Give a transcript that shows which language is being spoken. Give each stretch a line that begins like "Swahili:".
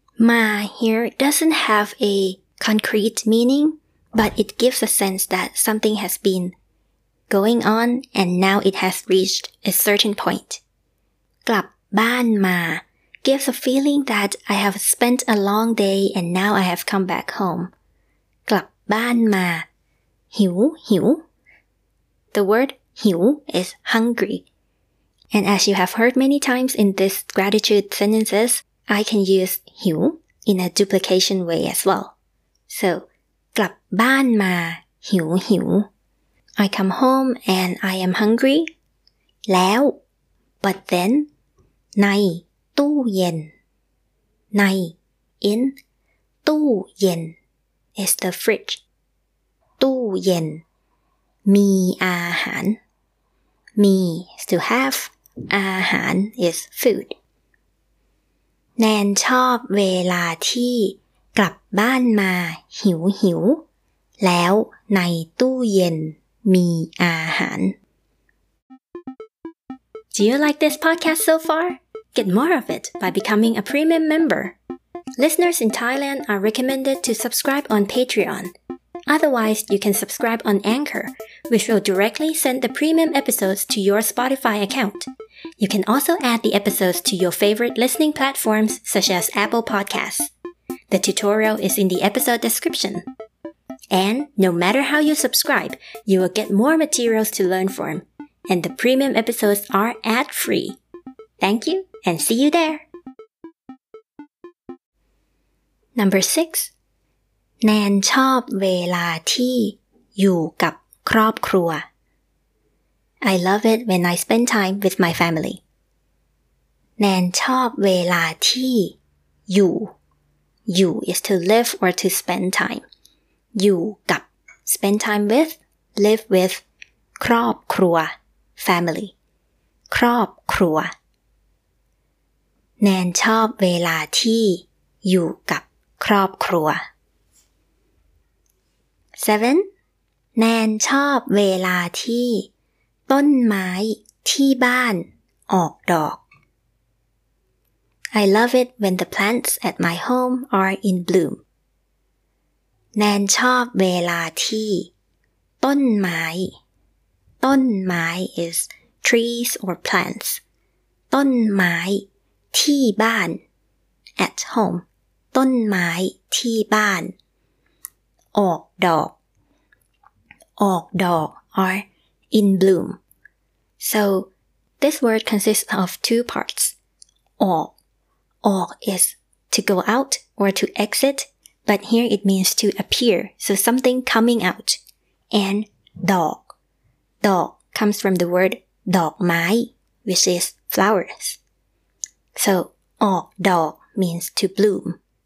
English: มา here doesn't have a concrete meaning, but it gives a sense that something has been going on and now it has reached a certain point.
Thai: กลับบ้านมา
English: gives a feeling that I have spent a long day and now I have come back home.
Thai: กลับบ้านมา หิว
English: The word หิว is hungry. And as you have heard many times in this gratitude sentences, I can use หิว in a duplication way as well. So,
Thai: กลับบ้านมาหิว
English: I come home and I am hungry. แล้ว But then,
Thai: ในตู้เย็น
English: ใน in ตู้เย็น is the fridge.
Thai: ตู้เย็น มีอาหาร มี
English: is to have.
Thai: อาหาร
English: is food.
Thai: แนนชอบเวลาที่กลับบ้านมาหิวแล้วในตู้เย็นมีอาหาร
English: Do you like this podcast so far? Get more of it by becoming a premium member. Listeners in Thailand are recommended to subscribe on Patreon. Otherwise, you can subscribe on Anchor, which will directly send the premium episodes to your Spotify account. You can also add the episodes to your favorite listening platforms such as Apple Podcasts. The tutorial is in the episode description. And no matter how you subscribe, you will get more materials to learn from. And the premium episodes are ad-free. Thank you and see you there! Number 6.
Thai: แนนชอบเวลาที่อยู่กับครอบครัว
English: I love it when I spend time with my family.
Thai: แนนชอบเวลาที่อยู่อยู่
English: is to live or to spend time. อยู่กับ spend time with, live with, ครอบครัว family.
Thai: ครอบครัวแนนชอบเวลาที่อยู่กับครอบครัว 7. แนนชอบเวลาที่ต้นไม้ที่บ้านออกดอก
English: I love it when the plants at my home are in bloom.
Thai: แนนชอบเวลาที่ต้นไม้ต้นไม้
English: is trees or plants.
Thai: ต้นไม้ที่บ้าน
English: at home
Thai: ต้นไม้ที่บ้านออกดอก
English: ออกดอก are in bloom so this word consists of two parts ออกออก is to go out or to exit but here it means to appear so something coming out and dog dog comes from the word ดอกไม้ which is flowersSo, ออกดอก means to bloom.